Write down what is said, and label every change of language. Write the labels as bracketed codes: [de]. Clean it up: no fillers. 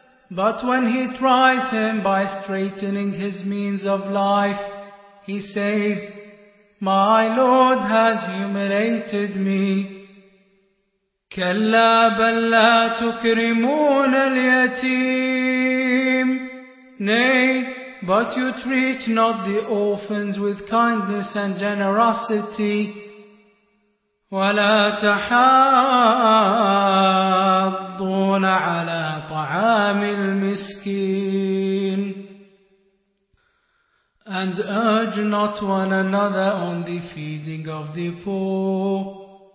[en] But when he tries him by straightening his means of life, he says, My Lord has humiliated me. [ar] كلا بل لا تكرمون اليتيم. [en] Nay, but you treat not the orphans with kindness and generosity. [ar] ولا تحاضون على طعام المسكين. [en] And urge not one another on the feeding of the poor.